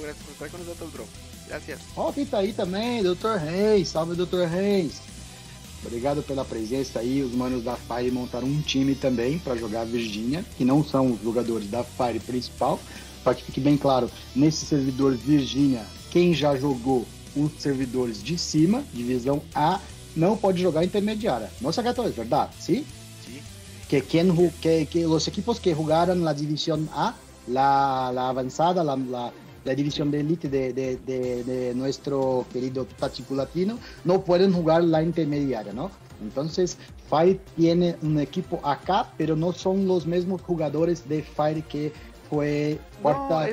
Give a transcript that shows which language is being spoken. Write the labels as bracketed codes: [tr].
[es] Gracias por estar con nosotros, bro. Gracias. Oh, que está ahí también, Dr. [pt] Reis. Salve, Dr. Reis. Obrigado pela presença aí, os manos da Fire montaram um time também para jogar a Virgínia, que não são os jogadores da Fire principal. Para que fique bem claro, nesse servidor Virgínia, quem já jogou os servidores de cima, divisão A, não pode jogar intermediária. Nossa, Gatão, é verdade? Sim? Sim. [es] que los equipos que jugaron la división A, la avanzada, la división de élite de nuestro querido Tachipulatino, no pueden jugar la intermediaria, ¿no? Entonces, Fire tiene un equipo acá, pero no son los mismos jugadores de Fire que fue cuarta.